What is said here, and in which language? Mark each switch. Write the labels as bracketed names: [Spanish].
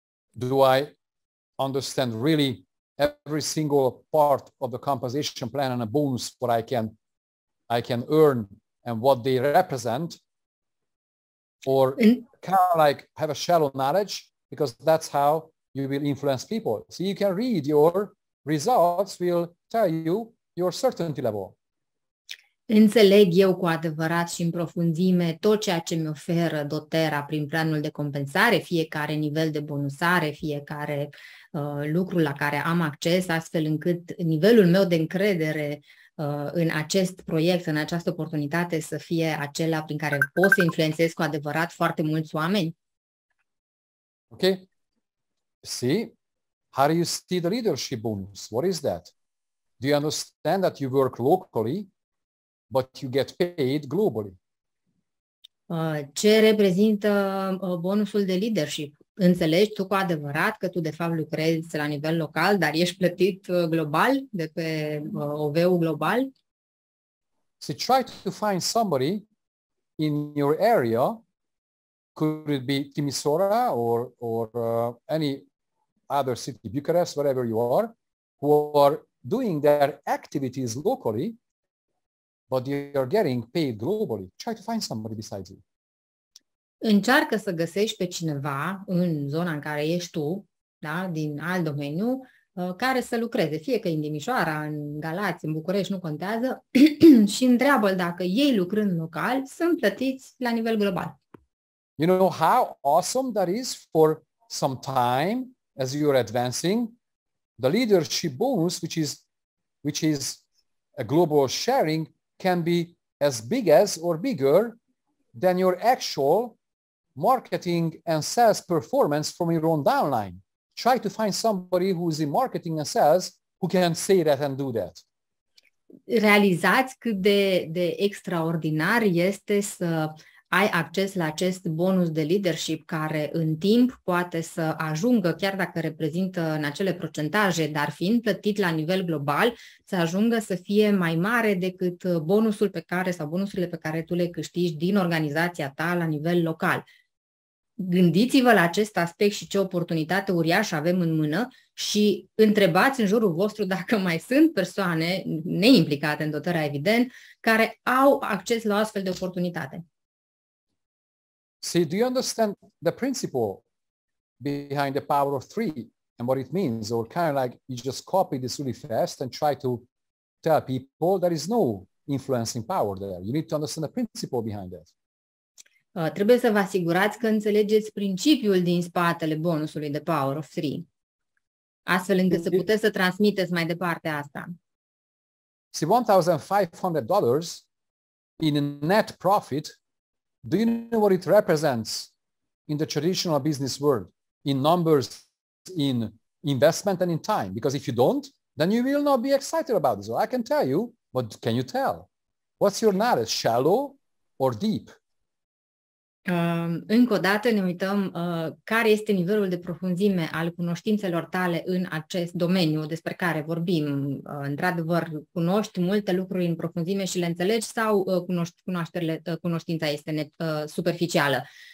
[English] Do I understand really every single part of the compensation plan and a bonus what I can earn and what they represent, or kind of like have a shallow knowledge? Because that's how you will influence people. So you can read your results will tell you your certainty level. [Romanian] Înțeleg eu cu adevărat și în profunzime tot ceea ce mi oferă doTERRA prin planul de compensare, fiecare nivel de bonusare, fiecare lucru la care am acces, astfel încât nivelul meu de încredere în acest proiect, în această oportunitate să fie acela prin care pot să influențez cu adevărat foarte mulți oameni. [English] Okay. See, how do you see the leadership bonus? What is that? Do you understand that you work locally, but you get paid globally? [Romanian] Ce reprezintă bonusul de leadership? Înțelegi tu cu adevărat că tu de fapt lucrezi la nivel local, dar ești plătit global, de pe OV-ul global? [English] So try to find somebody in your area. Could it be Timișoara or any other city, Bucharest, wherever you are, who are doing their activities locally, but they are getting paid globally? Try to find somebody besides you. [Romanian] Încearcă să găsești pe cineva în zona în care ești tu, da, din alt domeniu, care să lucreze, fie că e în Timișoara, în Galați, în București, nu contează, și întreabă-l dacă ei lucrând local sunt plătiți la nivel global. [English] You know how awesome that is for some time as you are advancing, the leadership bonus, which is a global sharing, can be as big as or bigger than your actual marketing and sales performance from your own downline. Try to find somebody who is in marketing and sales who can say that and do that. [Romanian] Realizați cât de extraordinar este să ai acces la acest bonus de leadership care în timp poate să ajungă, chiar dacă reprezintă în acele procentaje, dar fiind plătit la nivel global, să ajungă să fie mai mare decât bonusul pe care sau bonusurile pe care tu le câștigi din organizația ta la nivel local. Gândiți-vă la acest aspect și ce oportunitate uriașă avem în mână și întrebați în jurul vostru dacă mai sunt persoane neimplicate în dotarea, evident, care au acces la astfel de oportunitate. [English] See, do you understand the principle behind the power of three and what it means? Or kind of like you just copy this really fast and try to tell people there is no influencing power there. You need to understand the principle behind that. [Romanian] Trebuie să vă asigurați că înțelegeți principiul din spatele bonusului de power of three, astfel încât să puteți să transmiteți mai departe asta. [English] See, $1,500 in net profit. Do you know what it represents in the traditional business world, in numbers, in investment and in time? Because if you don't, then you will not be excited about this. Well, I can tell you, but can you tell? What's your knowledge, shallow or deep? [Romanian] Încă o dată ne uităm care este nivelul de profunzime al cunoștințelor tale în acest domeniu despre care vorbim. Într-adevăr, cunoști multe lucruri în profunzime și le înțelegi sau cunoștința este superficială?